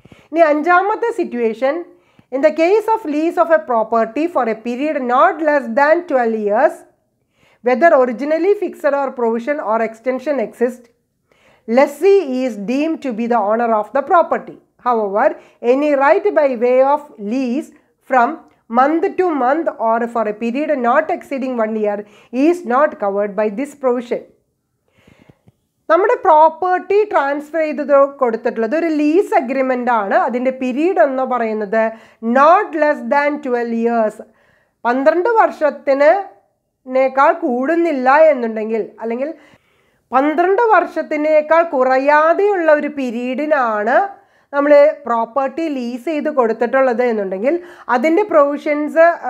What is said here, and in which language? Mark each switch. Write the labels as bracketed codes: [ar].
[ml] ഇനി അഞ്ചാമത്തെ situation, [en] In the case of lease of a property for a period not less than 12 years, whether originally fixed or provision or extension exist, lessee is deemed to be the owner of the property. However, any right by way of lease from month to month or for a period not exceeding 1 year is not covered by this provision. [ml] നമ്മുടെ property transfer ചെയ്തത് കൊടുത്തിട്ടുള്ളത് ഒരു lease agreement ആണ്. അതിൻ്റെ period എന്ന് പറയുന്നത് [en] not less than 12 years, [ml] 12 വർഷത്തിനേക്കാൾ കൂടുന്നില്ല എന്നുണ്ടെങ്കിൽ, അല്ലെങ്കിൽ 12 വർഷത്തിനേക്കാൾ കുറയാതെയുള്ള ഒരു പീരീഡിനാണ് നമ്മൾ പ്രോപ്പർട്ടി ലീസ് ചെയ്ത് കൊടുത്തിട്ടുള്ളത് എന്നുണ്ടെങ്കിൽ അതിൻ്റെ പ്രൊവിഷൻസ്